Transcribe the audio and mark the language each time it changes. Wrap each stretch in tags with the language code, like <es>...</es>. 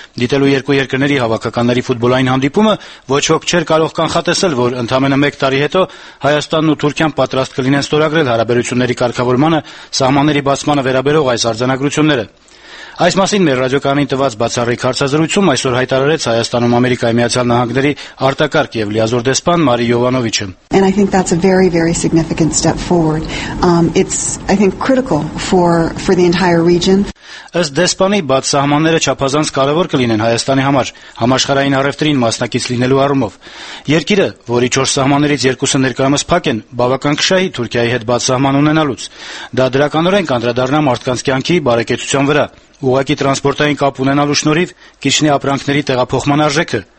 <hy>դիտելու երկու երկրների հավաքականների ֆուտբոլային հանդիպումը, ոչ ոք չէր կարող կանխատեսել, որ ընդամենը մեկ տարի հետո Հայաստանն ու Թուրքիան պատրաստ կլինեն ստորագրել հարաբերությունների կարգավորմանը սահմանների բացմանը վերաբերող այս արձանագրությունները։ Այս մասին մեր ռադիոկանին տված բացառիկ հարցազրույցում այսօր հայտարարեց Հայաստանում Ամերիկայի Միացյալ Նահանգների արտակարգ և լիազոր դեսպան Մարի Յովանովիչը։</hy> <en>And I think that's a very, very significant step forward. It's, I think, critical for the entire region.</en> <hy>Ըստ դեսպանի, բաց սահմանները չափազանց կարևոր կլինեն Հայաստանի համար համաշխարհային առևտրին մասնակից լինելու առումով։ Երկիրը, որի 4 սահմաններից 2-ը ներկայումս փակ են, բավական կշահի Թուրքիայի հետ բաց սահման ունենալուց։ Դա դրականորեն կանդրադառնա մարդկանց կյանքի բարեկեցության վրա, ուղղակի տրանսպորտային կապ ունենալու շնորհիվ կիշնի ապրանքների տեղափոխման արժեքը,</hy>